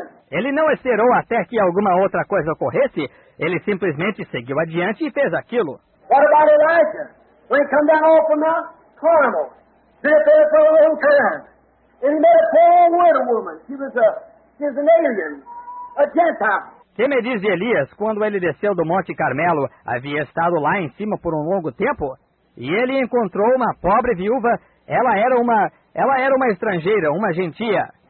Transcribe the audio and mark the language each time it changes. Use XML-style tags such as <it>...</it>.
<pt>Ele não esperou até que alguma outra coisa ocorresse. Ele simplesmente seguiu adiante e fez aquilo.</pt> <en>What about Elijah? When he came down off from Mount Carmel, sitting there for a long time, and he met a poor widow woman. She was an alien, a Gentile.</en> <pt>Que me diz de Elias quando ele desceu do Monte Carmelo? Havia estado lá em cima por um longo tempo? E ele encontrou uma pobre viúva. Ela era uma estrangeira, uma gentia.</pt>